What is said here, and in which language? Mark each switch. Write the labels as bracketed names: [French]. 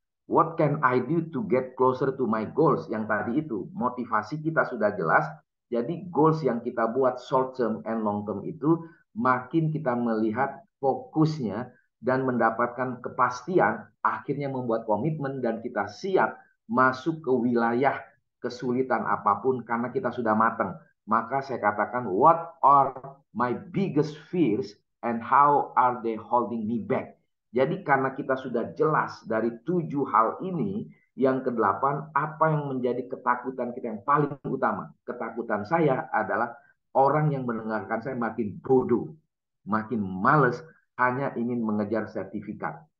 [English] What can I do to get closer to my goals? [Indonesian] Yang tadi itu, motivasi kita sudah jelas. Jadi goals yang kita buat [English] short term and long term [Indonesian] itu makin kita melihat fokusnya dan mendapatkan kepastian, akhirnya membuat komitmen dan kita siap masuk ke wilayah kesulitan apapun karena kita sudah matang. Maka saya katakan, [English] what are my biggest fears and how are they holding me back? [Indonesian] Jadi karena kita sudah jelas dari tujuh hal ini, yang kedelapan, apa yang menjadi ketakutan kita yang paling utama? Ketakutan saya adalah orang yang mendengarkan saya makin bodoh, makin males, hanya ingin mengejar sertifikat.